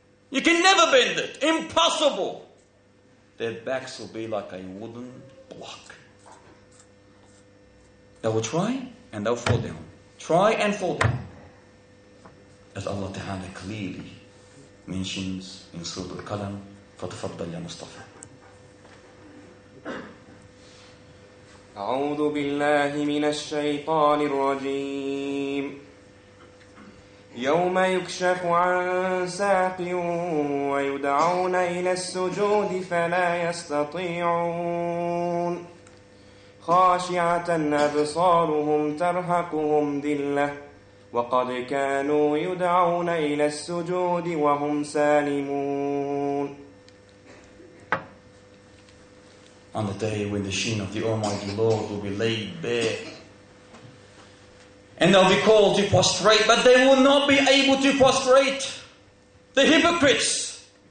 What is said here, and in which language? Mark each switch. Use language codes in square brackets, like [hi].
[en] You can never bend it. Impossible. Their backs will be like a wooden block. They will try and they'll fall down. Try and fall down. As Allah Ta'ala clearly mentions in Surah Al-Qalam, [ar] فَتَفَضَّلْ يَا مُصْطَفَى. أعوذ بالله من الشيطان الرجيم. يوم يكشف عن ساق ويدعون إلى السجود فلا يستطيعون خاشعة أبصارهم ترهقهم ذلة وقد كانوا يدعون إلى السجود وهم سالمون. [en] On the day when the sheen of the Almighty Lord will be laid bare, and they'll be called to prostrate, but they will not be able to prostrate. The hypocrites.